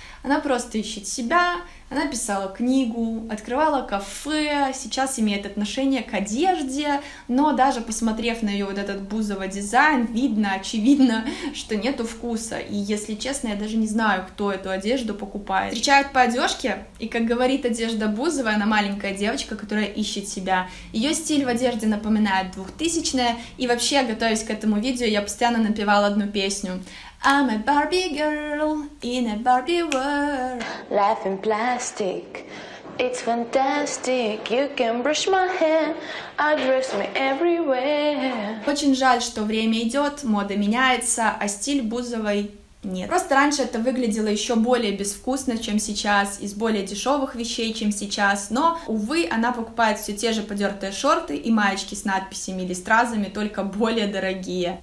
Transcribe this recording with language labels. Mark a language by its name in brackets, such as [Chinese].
[Russian] Она просто ищет себя, она писала книгу, открывала кафе, сейчас имеет отношение к одежде, но даже посмотрев на ее вот этот бузовый дизайн, видно, очевидно, что нету вкуса. И если честно, я даже не знаю, кто эту одежду покупает. Встречают по одежке, и как говорит одежда Бузовой, она маленькая девочка, которая ищет себя. Ее стиль в одежде напоминает 2000-е, и вообще, готовясь к этому видео, я постоянно напевала одну песню. [English] I'm a Barbie girl in a Barbie world. Life in plastic, it's fantastic. You can brush my hair, I dress me everywhere. [Russian] Очень жаль, что время идет, мода меняется, а стиль Бузовой нет. Просто раньше это выглядело еще более безвкусно, чем сейчас, из более дешевых вещей, чем сейчас, но, увы, она покупает все те же подертые шорты и маечки с надписями или стразами, только более дорогие.